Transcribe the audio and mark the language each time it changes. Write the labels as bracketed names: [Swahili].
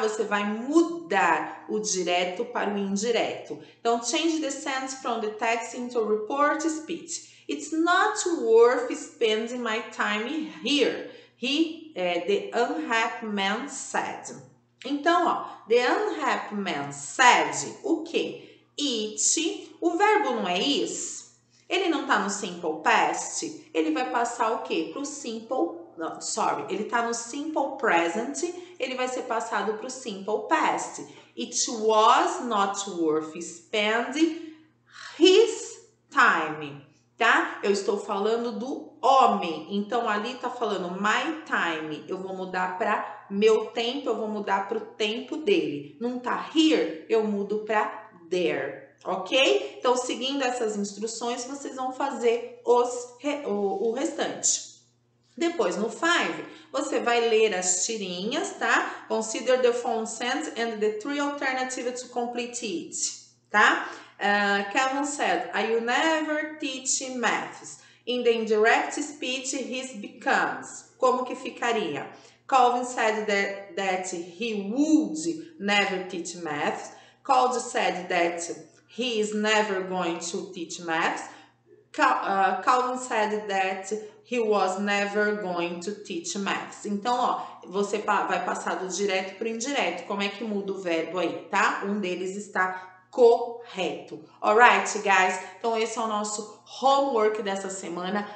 [Portuguese] Você vai mudar o direto para o indireto. Então, [English] change the sentence from the text into report speech. It's not worth spending my time here, the unhappy man said. [Portuguese] Então, ó, [English] the unhappy man said [Portuguese] o quê? It, o verbo não é is? Ele não tá no simple past? Ele vai passar o quê? Pro simple, ele tá no simple present, ele vai ser passado pro simple past. [English] It was not worth spending his time. Tá? [Portuguese] Eu estou falando do homem, então ali tá falando my time, eu vou mudar para meu tempo, eu vou mudar para o tempo dele. Não tá here, eu mudo para there, ok? Então, seguindo essas instruções, vocês vão fazer o restante. Depois, no 5, você vai ler as tirinhas, tá? [English] Consider the phone sense and the three alternatives to complete it, tá? Kevin said, I will never teach maths. In the indirect speech, he becomes. [Portuguese] Como que ficaria? [English] Calvin said that he would never teach maths. Cold said that he is never going to teach maths. Calvin said that he was never going to teach maths. [Portuguese] Então, ó, você vai passar do direto para o indireto. Como é que muda o verbo aí, tá? Um deles está correto. [English] Alright, guys? [Portuguese] Então, esse é o nosso homework dessa semana.